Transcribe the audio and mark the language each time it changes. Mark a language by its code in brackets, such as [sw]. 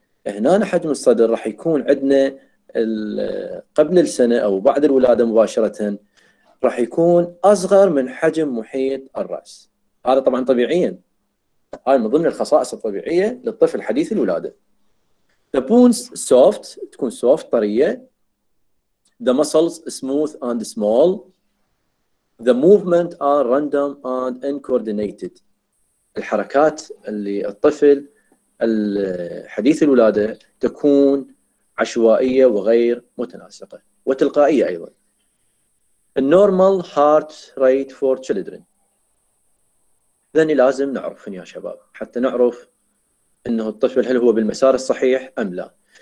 [ar] هنا حجم الصدر راح يكون عندنا قبل السنة أو بعد الولادة مباشرة راح يكون أصغر من حجم محيط الرأس. هذا طبعا طبيعيا، هاي من ضمن الخصائص الطبيعية للطفل حديث الولادة. [en] The bones soft، [ar] تكون soft طرية. [en] The muscles smooth and small. The movement are random and uncoordinated. [ar] الحركات اللي الطفل الحديث الولادة تكون عشوائية وغير متناسقة وتلقائية أيضا. [en] النورمال heart rate for children, [ar] ذن لازم نعرف يا شباب حتى نعرف انه الطفل هل هو بالمسار الصحيح ام لا.